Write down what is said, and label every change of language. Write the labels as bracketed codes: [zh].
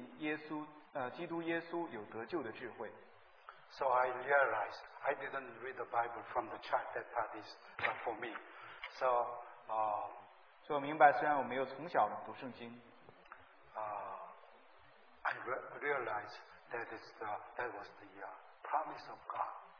[zh] 并且知道你是从小明白圣经，这圣经能使你信耶稣，基督耶稣有得救的智慧。 [en] So I realized I didn't read the Bible from the child, that part is for me. So [zh] 所以我明白，虽然我没有从小读圣经。 [en] I realize that is the that was the promise of God.